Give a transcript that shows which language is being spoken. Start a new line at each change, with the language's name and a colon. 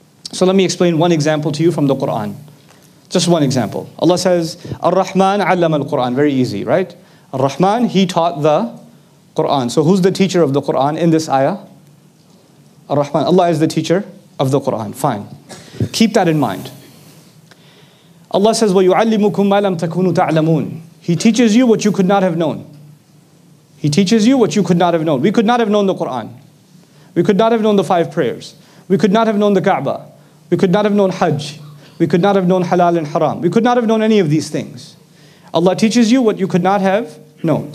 English: So let me explain one example to you from the Quran. Just one example. Allah says,
Arabic: Ar-Rahman allama al-Qur'an.
English: Very easy, right? Ar-Rahman, He taught the Qur'an. So who's the teacher of the Qur'an in this ayah? Ar-Rahman. Allah is the teacher of the Qur'an. Fine. Keep that in mind. Allah says,
Arabic: وَيُعَلِّمُكُمْ مَا لَمْ تَكُونُوا تَعْلَمُونَ.
English: He teaches you what you could not have known. He teaches you what you could not have known. We could not have known the Qur'an. We could not have known the five prayers. We could not have known the Kaaba. We could not have known Hajj. We could not have known halal and haram. We could not have known any of these things. Allah teaches you what you could not have known.